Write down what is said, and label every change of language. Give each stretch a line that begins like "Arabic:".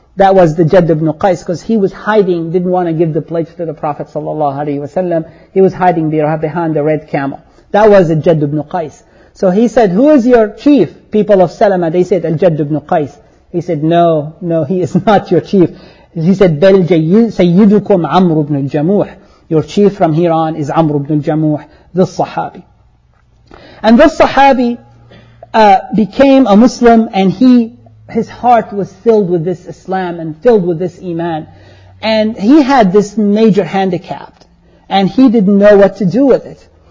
English: That was the Jadd ibn Qais, because he was hiding, didn't want to give the pledge to the Prophet sallallahu alayhi wa sallam. He was hiding behind the red camel. That was the Jadd ibn Qais. So he said, who is your chief, people of Salama? They said, Al-Jadd ibn Qais. He said, no, he is not your chief. He said,
Arabic: بَلْ سَيِّدُكُمْ عَمْرُ بْنُ الْجَمُوحِ.
English: Your chief from here on is Amr ibn al-Jamuh, the Sahabi. And this Sahabi became a Muslim, and his heart was filled with this Islam and filled with this Iman. And he had this major handicap, and he didn't know what to do with it.